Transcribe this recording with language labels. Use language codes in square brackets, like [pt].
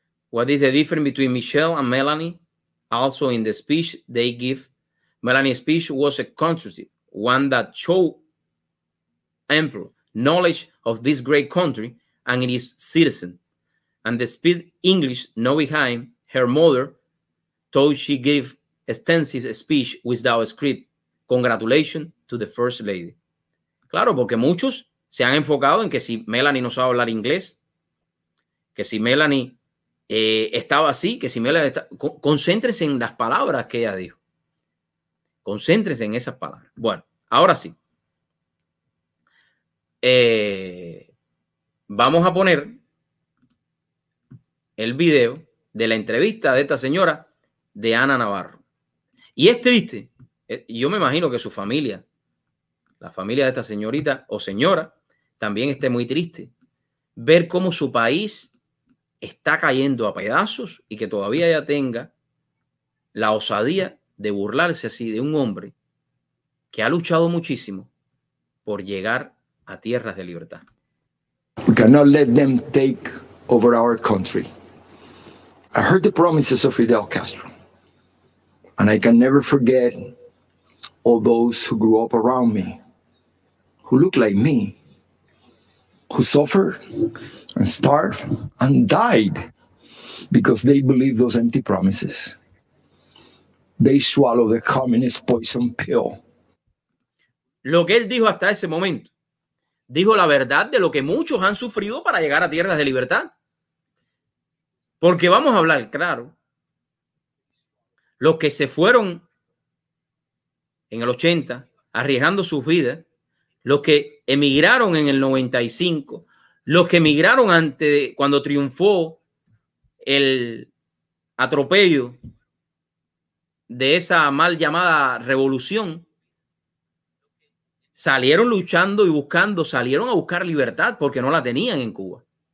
[en] What is the difference between Michelle and Melanie? Also in the speech they give, Melanie's speech was a constructive one that showed ample knowledge of this great country and its citizens. And the speed English know behind her mother told she gave extensive speech without script. Congratulations to the first lady. [es] Claro, porque muchos se han enfocado en que si Melanie no sabe hablar inglés, que si Melanie estaba así, que si Melanie está, concéntrese en las palabras que ella dijo. Concéntrese en esas palabras. Bueno, ahora sí. Vamos a poner el video de la entrevista de esta señora, de Ana Navarro. Y es triste. Yo me imagino que su familia, la familia de esta señorita o señora, también esté muy triste ver cómo su país está cayendo a pedazos y que todavía ya tenga la osadía de burlarse así de un hombre que ha luchado muchísimo por llegar a tierras de libertad. [en] We cannot let them take over our country. I heard the promises of Fidel Castro, and I can never forget all those who grew up around me, who looked like me, who suffered and starved and died because they believed those empty promises. They swallowed the communist poison pill. [es] Lo que él dijo hasta ese momento, dijo la verdad de lo que muchos han sufrido para llegar a tierras de libertad. Porque vamos a hablar claro. Los que se fueron en el 80 arriesgando sus vidas, los que emigraron en el 95, los que emigraron antes, cuando triunfó el atropello de esa mal llamada revolución, salieron luchando y buscando, salieron a buscar libertad porque no la tenían en Cuba.